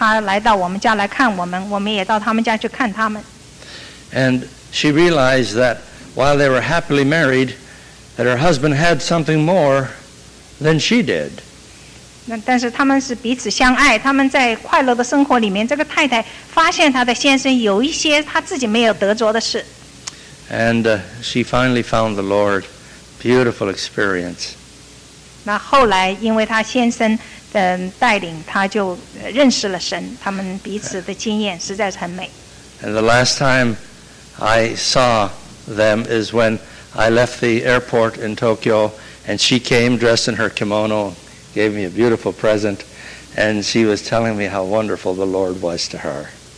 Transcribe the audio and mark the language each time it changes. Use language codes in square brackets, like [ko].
[zh] 他们的情形就像这个情形是相似的。后来他太太到了巴西，他来到我们家来看我们，我们也到他们家去看他们。 [en] And she realized that while they were happily married, that her husband had something more than she did. [zh] 但是他们是彼此相爱，他们在快乐的生活里面，这个太太发现她的先生有一些她自己没有得着的事。 [en] And she finally found the Lord. Beautiful experience. [zh] 那后来因为他先生的带领，他就认识了神，他们彼此的经验实在是很美。 [en] And the last time I saw them is when I left the airport in Tokyo, and she came dressed in her kimono, gave me a beautiful present, and she was telling me how wonderful the Lord was to her.